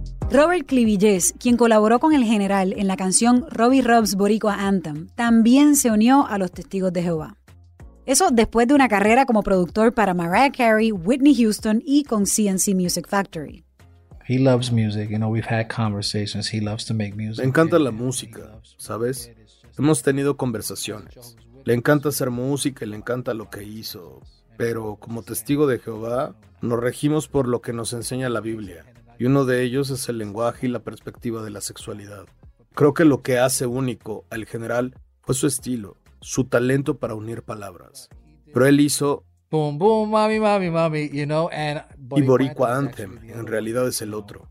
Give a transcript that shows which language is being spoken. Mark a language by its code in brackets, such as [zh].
[es] Robert Clivillés, quien colaboró con El General en la canción Robbie Robb's Boricua Anthem, también se unió a los Testigos de Jehová. Eso después de una carrera como productor para Mariah Carey, Whitney Houston y con CNC Music Factory. [en] He loves music, you know, we've had conversations, he loves to make music. [es] Me encanta la música, ¿sabes? Hemos tenido conversaciones. Le encanta hacer música y le encanta lo que hizo. Pero como testigo de Jehová, nos regimos por lo que nos enseña la Biblia. Y uno de ellos es el lenguaje y la perspectiva de la sexualidad. Creo que lo que hace único al general fue su estilo. Su talento para unir palabras. Pero él hizo [en] boom, boom, mami, mami, mami, you know, and [es] Boricua, y Boricua Anthem, en realidad es el otro.